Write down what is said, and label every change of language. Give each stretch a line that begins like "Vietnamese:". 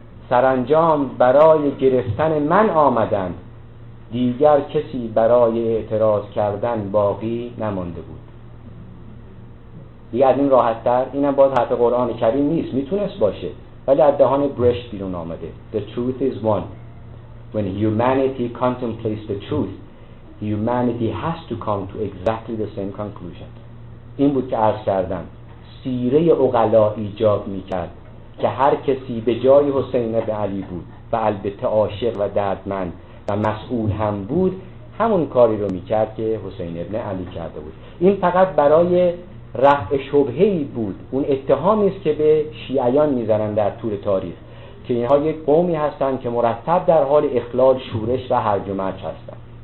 Persian: سرانجام برای گرفتن من آمدند، دیگر کسی برای اعتراض کردن باقی نمانده بود. دیگه از این راحت تر، اینم باز حرف قرآن کریم نیست، میتونست باشه، ولی از دهان برشت بیرون آمده.
English: The truth is one. When humanity contemplates the truth, humanity has to come to exactly the same conclusion.
Persian: این بود که عرض کردم سیره عقلا ایجاب میکرد که هر کسی به جای حسین ابن علی بود و البته عاشق و دردمند و مسئول هم بود، همون کاری رو میکرد که حسین ابن علی کرده بود. این فقط برای رفع شبهه‌ای بود، اون اتهامی است که به شیعیان میزنن در طول تاریخ که اینها یک قومی هستند که مرتب در حال اخلال، شورش و هرج و مرج هستند.